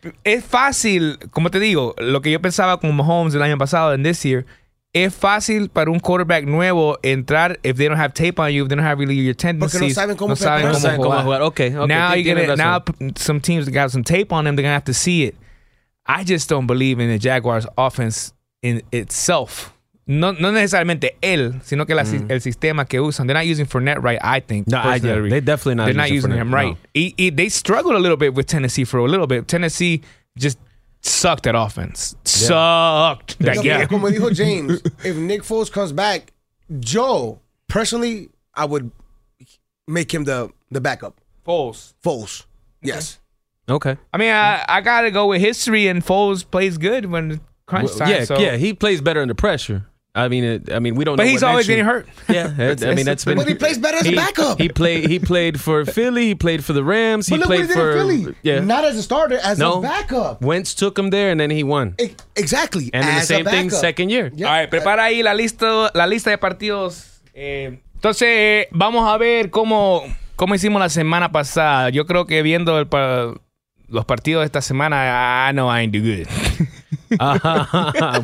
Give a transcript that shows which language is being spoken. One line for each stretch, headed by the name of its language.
Spanish: Es fácil, como te digo, lo que yo pensaba con Mahomes el año pasado
English: and this year,
Spanish: es fácil para un quarterback nuevo entrar
English: if they don't have tape on you, if they don't have really your tendencies.
Spanish: No saben cómo jugar.
English: Okay. Now some teams got some tape on them. They're gonna have to see it. I just don't believe in the Jaguars' offense in itself.
Spanish: No necesariamente él, sino que el sistema que usan.
English: They're not using Fournette right, I think. No, personally. They're not using him right. No. They struggled a little bit with Tennessee for a little bit. Tennessee just sucked at offense. Yeah. Sucked. That game.
Spanish: Como dijo
English: James, if Nick Foles comes back, Joe, personally, I would make him the backup. Foles. Yes. Okay. I mean, I got to go with history, and Foles plays good when crunch time. Yeah, so. Yeah, he plays better under pressure. I mean, we don't but know. But he's always getting hurt. Yeah, I mean, that's been. But he plays better as a backup. He played for Philly. He played for the Rams. But look played what he did in Philly. Yeah. Not as a starter, as a backup. Wentz took him there, and then he won. Exactly. And then the same thing, second year. Yep.
Spanish: All right, prepara ahí la lista de partidos. Entonces, vamos a ver cómo hicimos la semana pasada. Yo creo que viendo los partidos de esta semana,
English: I ain't do good.